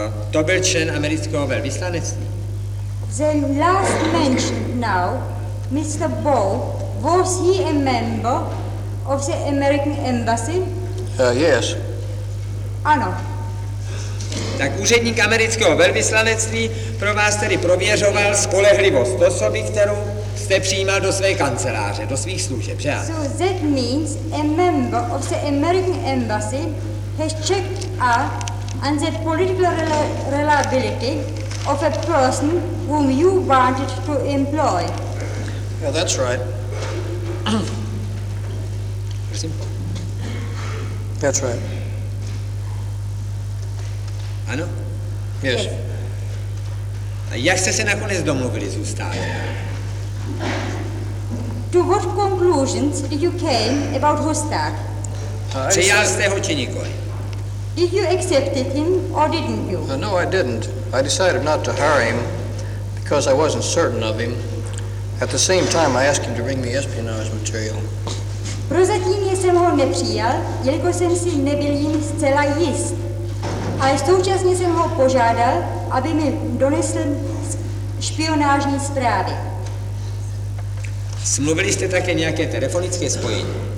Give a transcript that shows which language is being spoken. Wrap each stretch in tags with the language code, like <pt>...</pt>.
<cs>To byl člen amerického velvyslanectví.</cs> <en>The last mentioned now, Mr. Bowe, was he a member of the American embassy? Yes.</en> <cs>Ano. Tak úředník amerického velvyslanectví pro vás tedy prověřoval spolehlivost osoby, kterou jste přijímal do své kanceláře, do svých služeb, že?</cs> <en>So that means a member of the American embassy has checked out on the political reliability of a person whom you wanted to employ. Yeah, that's right. Simple. That's right.</en> <cs>Ano?</cs> <en>Yes.</en> <cs>A jak jste se nakonec domluvili zůstat?</cs> <en>To what conclusions did you came about Hostak?</en> <cs>Přijal jste ho či nikoli?</cs> <en>Did you accept him or didn't you? No, I didn't. I decided not to hire him because I wasn't certain of him. At the same time, I asked him to bring me espionage material.</en> <cs>Prozatím jsem ho nepřijal, jelikož jsem si nebyl jim zcela jist. Ale současně jsem ho požádal, aby mi donesl špionážní zprávy. Smluvili jste také nějaké telefonické spojení?</cs>